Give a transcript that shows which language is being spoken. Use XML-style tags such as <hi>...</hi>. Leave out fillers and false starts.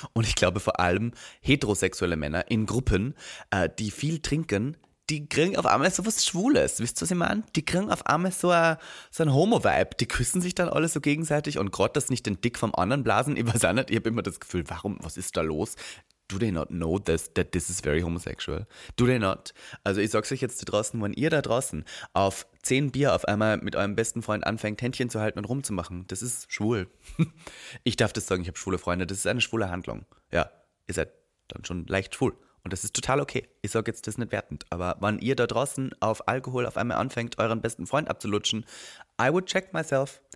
<de>Und ich glaube vor allem heterosexuelle Männer in Gruppen, die viel trinken, die kriegen auf einmal so was Schwules. Wisst ihr, was ich meine? Die kriegen auf einmal so ein Homo-Vibe. Die küssen sich dann alle so gegenseitig und gerade das nicht den Dick vom anderen blasen. Ich weiß auch nicht, ich habe immer das Gefühl, warum, was ist da los?</de> <en>Do they not know that this is very homosexual? Do they not?</en> <de>Also ich sag's euch jetzt da draußen, wenn ihr da draußen auf 10 Bier auf einmal mit eurem besten Freund anfängt, Händchen zu halten und rumzumachen, das ist schwul. Ich darf das sagen, ich habe schwule Freunde, das ist eine schwule Handlung. Ja, ihr seid dann schon leicht schwul. Und das ist total okay. Ich sag jetzt, das ist nicht wertend. Aber wenn ihr da draußen auf Alkohol auf einmal anfängt, euren besten Freund abzulutschen,</de> <en>I would check myself.</en>